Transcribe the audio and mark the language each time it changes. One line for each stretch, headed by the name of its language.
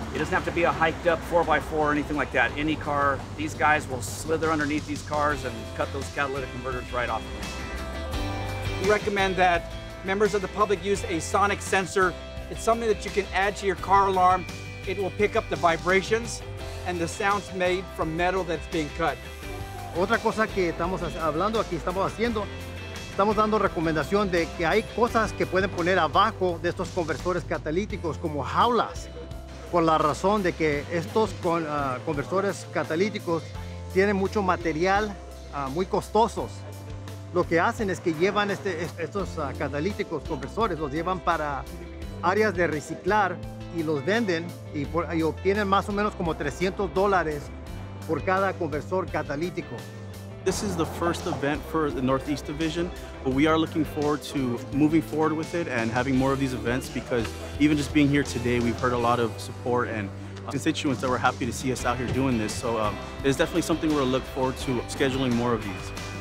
English: It doesn't have to be a hiked up 4x4 or anything like that. Any car, these guys will slither underneath these cars and cut those catalytic converters right off. We recommend that members of the public use a sonic sensor. It's something that you can add to your car alarm. It will pick up the vibrations and the sounds made from metal that's being cut.
Spanish: Otra cosa que estamos hablando aquí, estamos haciendo, estamos dando recomendación de que hay cosas que pueden poner abajo de estos conversores catalíticos como jaulas, por la razón de que estos conversores catalíticos tienen mucho material muy costosos. Lo que hacen es que llevan estos catalíticos conversores, los llevan para áreas de reciclar y los venden y obtienen más o menos como $300 por cada conversor catalítico.
English: This is the first event for the Northeast Division, but we are looking forward to moving forward with it and having more of these events because even just being here today, we've heard a lot of support and constituents that were happy to see us out here doing this. So it's definitely something we're looking forward to scheduling more of these.